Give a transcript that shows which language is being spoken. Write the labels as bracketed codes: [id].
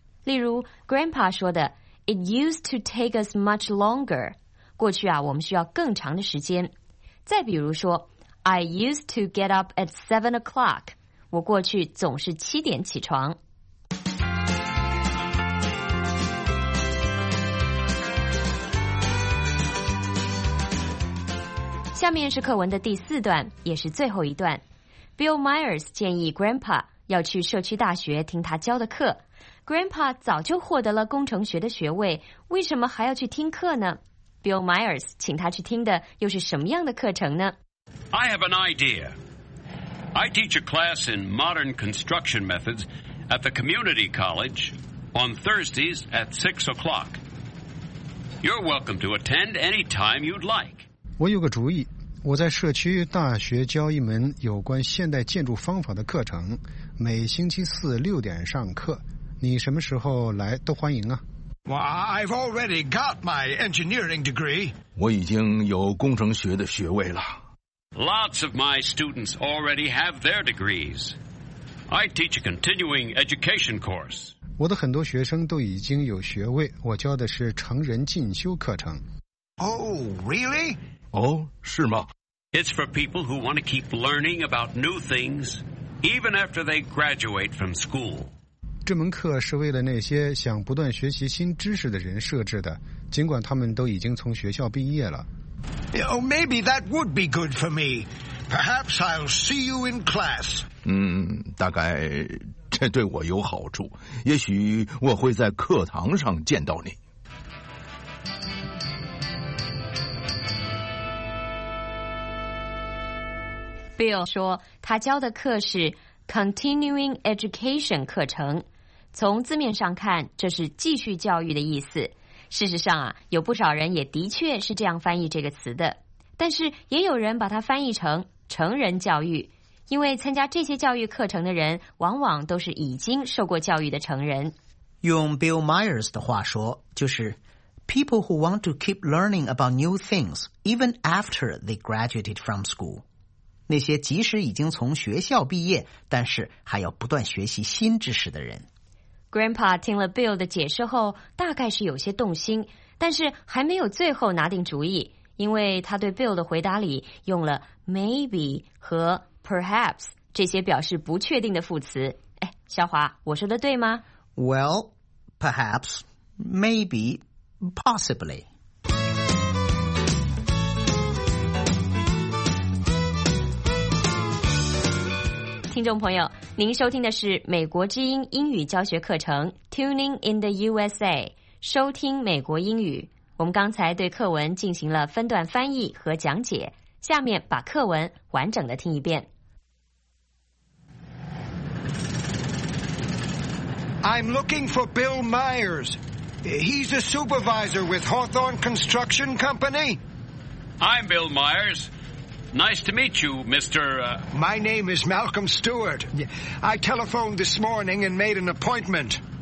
[zh] 例如 Grandpa 说的 [en] It used to take us much longer, [zh] 过去啊我们需要更长的时间。再比如说 [en] I used to get up at 7 o'clock. [zh] 我过去总是7点起床。下面是课文的第四段，也是最后一段。Bill Myers 建议 Grandpa 要去社区大学听他教的课。 Grandpa 早就获得了工程学的学位，为什么还要去听课呢？Bill Myers 请他去听的又是什么样的课程呢？ [en] I have an idea. I teach a class in modern construction methods at the community college on Thursdays at 6 o'clock. You're welcome to attend any time you'd like. [zh] 我有个主意，我在社区大学教一门有关现代建筑方法的课程，每星期四6点上课。你什么时候来都欢迎啊。 [en] I've already got my engineering degree. [zh] 我已经有工程学的学位了。 [en] Lots of my students already have their degrees. I teach a continuing education course. [zh] 我的很多学生都已经有学位，我教的是成人进修课程。 [en] Oh, really? [zh] 哦，是吗？ [en] It's for people who want to keep learning about new things, even after they graduate from school. [zh] 这门课是为了那些想不断学习新知识的人设置的，尽管他们都已经从学校毕业了。 [en] Oh, maybe that would be good for me. Perhaps I'll see you in class. [zh] 大概这对我有好处。也许我会在课堂上见到你。 Bill 说，他教的课是 Continuing Education 课程。从字面上看，这是继续教育的意思。事实上啊，有不少人也的确是这样翻译这个词的，但是也有人把它翻译成成人教育，因为参加这些教育课程的人往往都是已经受过教育的成人。用 Bill Myers 的话说，就是 [en] People who want to keep learning about new things even after they graduated from school， [zh] 那些即使已经从学校毕业但是还要不断学习新知识的人。 Grandpa 听了 Bill 的解释后大概是有些动心，但是还没有最后拿定主意，因为他对 Bill 的回答里用了 maybe 和 perhaps 这些表示不确定的副词。哎，小华，我说的对吗？ [en] Well, perhaps, maybe, possibly. [zh] 听众朋友，您收听的是美国之音英语教学课程 Tuning in the USA， 收听美国英语。我们刚才对课文进行了分段翻译和讲解，下面把课文完整的听一遍。 [en] I'm looking for Bill Myers. He's a supervisor with Hawthorne Construction Company. I'm Bill Myers. Nice to meet you, Mr. My name is Malcolm Stewart. I telephoned this morning and made an appointment.